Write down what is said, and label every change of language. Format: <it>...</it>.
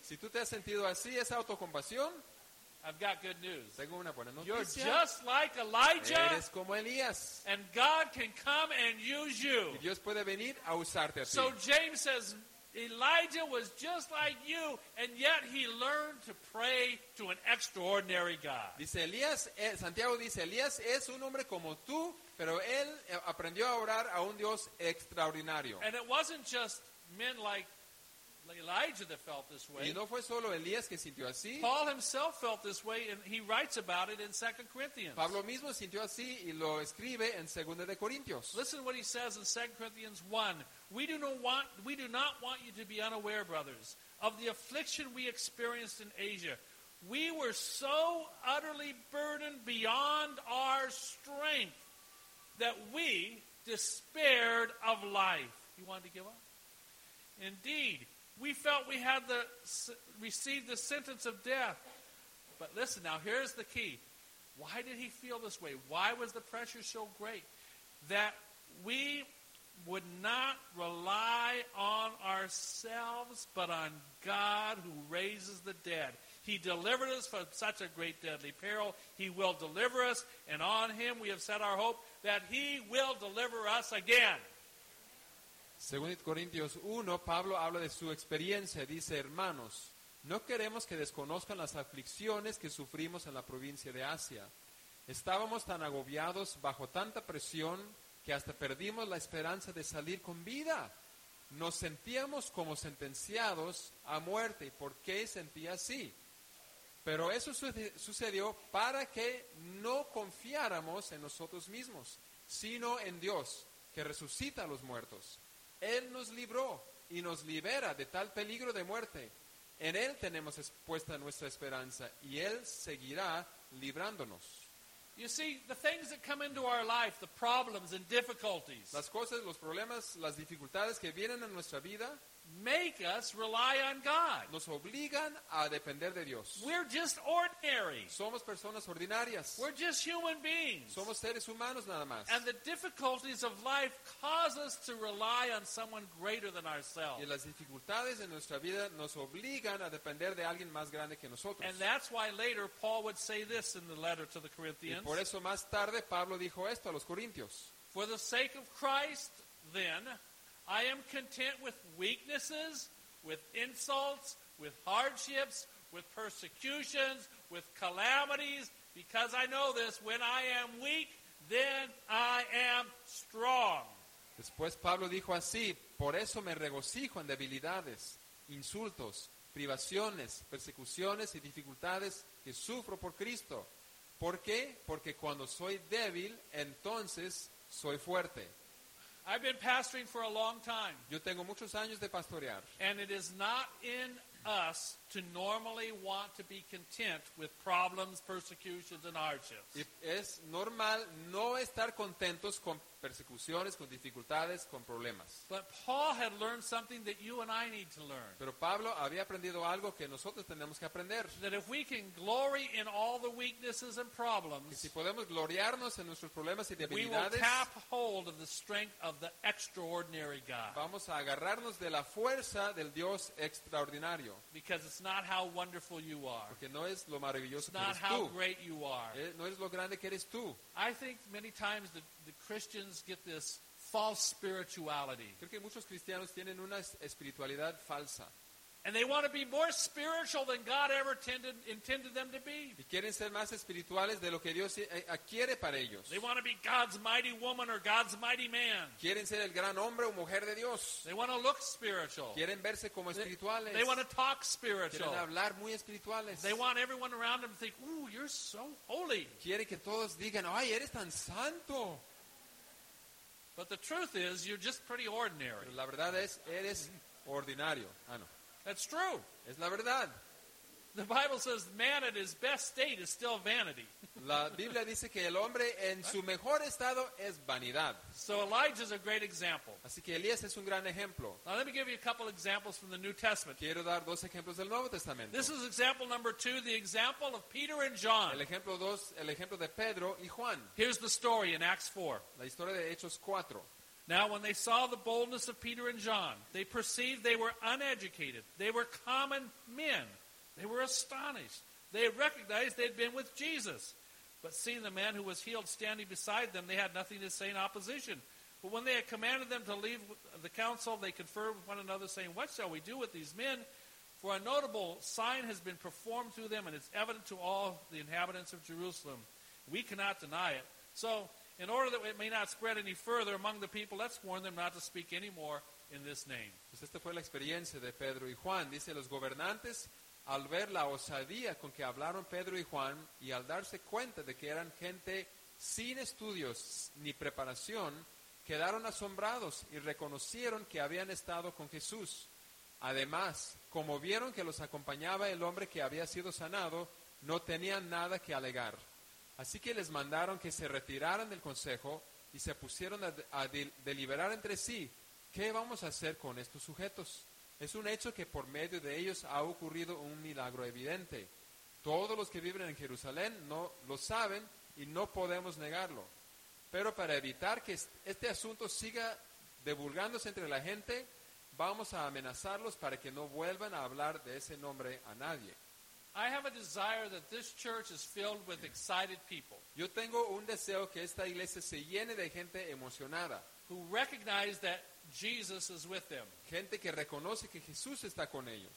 <es>si tú te has sentido así, esa autocompasión,</es> <en>I've got good news.</en> <es>Tengo una buena noticia.</es> <en>You're just like Elijah.</en> <es>Eres como Elías.</es> <en>And God can come and use you.</en> <es>Y Dios puede venir a usarte a ti.</es> <en>So James says, Elijah was just like you, and yet he learned to pray to an extraordinary God.</en> <es>Dice Elías, Santiago dice, Elías es un hombre como tú, pero él aprendió a orar a un Dios extraordinario.</es> <en>And it wasn't just men like Elijah that felt this way.</en> <es>Y no fue solo Elías que sintió así.</es> <en>Paul himself felt this way and he writes about it in 2 Corinthians.</en> <es>Pablo mismo sintió así y lo escribe en 2 de Corintios.</es> <en>Listen to what he says in 2 Corinthians 1. We do not want you to be unaware, brothers, of the affliction we experienced in Asia. We were so utterly burdened beyond our strength that we despaired of life. You wanted to give up? Indeed, We felt we had received the sentence of death. But listen, now here's the key. Why did he feel this way? Why was the pressure so great? That we would not rely on ourselves, but on God who raises the dead. He delivered us from such a great deadly peril. He will deliver us, and on him we have set our hope that he will deliver us again.</en> <es>Según Corintios 1, Pablo habla de su experiencia. Dice, hermanos, no queremos que desconozcan las aflicciones que sufrimos en la provincia de Asia. Estábamos tan agobiados bajo tanta presión que hasta perdimos la esperanza de salir con vida. Nos sentíamos como sentenciados a muerte. ¿Por qué sentía así? Pero eso sucedió para que no confiáramos en nosotros mismos, sino en Dios, que resucita a los muertos. Él nos libró y nos libera de tal peligro de muerte. En Él tenemos puesta nuestra esperanza y Él seguirá librándonos.</es> <en>You see, the things that come into our life, the problems and difficulties,</en> <es>las cosas, los problemas, las dificultades que vienen en nuestra vida,</es> <en>make us rely on God.</en> <es>Nos obligan a depender de Dios.</es> <en>We're just ordinary.</en> <es>Somos personas ordinarias.</es> <en>We're just human beings.</en> <es>Somos seres humanos nada más.</es> <en>And the difficulties of life cause us to rely on someone greater than ourselves.</en> <es>Y las dificultades de nuestra vida nos obligan a depender de alguien más grande que nosotros.</es> <en>And that's why later Paul would say this in the letter to the Corinthians.</en> <es>Y por eso más tarde Pablo dijo esto a los Corintios.</es> <en>For the sake of Christ, then, I am content with weaknesses, with insults, with hardships, with persecutions, with calamities, because I know this, when I am weak, then I am strong.</en> <es>Después Pablo dijo así, por eso me regocijo en debilidades, insultos, privaciones, persecuciones y dificultades que sufro por Cristo. ¿Por qué? Porque cuando soy débil, entonces soy fuerte.</es> <en>I've been pastoring for a long time.</en> <es>Yo tengo muchos años de pastorear.</es> <en>And it is not in us to normally want to be content with problems, persecutions, and hardships.</en> <es>Y es normal no estar contentos con persecuciones, con dificultades, con problemas.</es> <en>But Paul had learned something that you and I need to learn.</en> <es>Pero Pablo había aprendido algo que nosotros tenemos que aprender.</es> <en>That if we can glory in all the weaknesses and problems,</en> <es>y si podemos gloriarnos en nuestros problemas y debilidades,</es> <en>we will tap hold of the strength of the extraordinary God.</en> <es>Vamos a agarrarnos de la fuerza del Dios extraordinario.</es> <en>Because it's not how wonderful you are.</en> <es>Porque no es lo maravilloso</es> <en>it's</en> <es>que eres tú.</es> <en>It's not how great you are.</en> <es>No es lo grande que eres tú.</es> <en>I think many times the Christians get this false spirituality.</en> <es>Creo que muchos cristianos tienen una espiritualidad falsa.</es> <en>And they want to be more spiritual than God ever intended them to be.</en> <es>Y quieren ser más espirituales de lo que Dios quiere para ellos.</es> <en>They want to be God's mighty woman or God's mighty man.</en> <es>Quieren ser el gran hombre o mujer de Dios.</es> <en>They want to look spiritual.</en> <es>Quieren verse como espirituales.</es> <en>They want to talk spiritual.</en> <es>Quieren hablar muy espirituales.</es> <en>They want everyone around them to think, "Ooh, you're so holy."</en> <es>Quieren que todos digan, "Ay, eres tan santo."</es> <en>But the truth is, you're just pretty ordinary.</en> <es>Pero la verdad es, eres ordinario. Ah, no.</es> <en>That's true.</en> <es>Es la verdad.</es> <en>The Bible says, man at his best state is still vanity.</en> <es>La Biblia dice que el hombre en su mejor estado es vanidad.</es> <en>So Elijah is a great example.</en> <es>Así que Elías es un gran ejemplo.</es> <en>Now let me give you a couple examples from the New Testament.</en> <es>Quiero dar dos ejemplos del Nuevo Testamento.</es> <en>This is example number two, the example of Peter and John.</en> <es>El ejemplo dos, el ejemplo de Pedro y Juan.</es> <en>Here's the story in Acts 4.</en> <es>La historia de Hechos 4.</es> <en>Now when they saw the boldness of Peter and John, they perceived they were uneducated. They were common men. They were astonished. They recognized they'd been with Jesus. But seeing the man who was healed standing beside them, they had nothing to say in opposition. But when they had commanded them to leave the council, they conferred with one another, saying, "What shall we do with these men? For a notable sign has been performed through them, and it's evident to all the inhabitants of Jerusalem. We cannot deny it. So, in order that it may not spread any further among the people, let's warn them not to speak any more in this name."</en> <es>Pues esta fue la experiencia de Pedro y Juan. Dice, los gobernantes, al ver la osadía con que hablaron Pedro y Juan y al darse cuenta de que eran gente sin estudios ni preparación, quedaron asombrados y reconocieron que habían estado con Jesús. Además, como vieron que los acompañaba el hombre que había sido sanado, no tenían nada que alegar. Así que les mandaron que se retiraran del consejo y se pusieron a deliberar entre sí, ¿qué vamos a hacer con estos sujetos? Es un hecho que por medio de ellos ha ocurrido un milagro evidente. Todos los que viven en Jerusalén no lo saben y no podemos negarlo. Pero para evitar que este asunto siga divulgándose entre la gente, vamos a amenazarlos para que no vuelvan a hablar de ese nombre a nadie.</es> <en>I have a desire that this church is filled with excited people.</en> <es>Yo tengo un deseo que esta iglesia se llene de gente emocionada.</es> <en>Who recognize that Jesus is with them.</en> <es>Gente que reconoce que Jesús está con ellos.</es>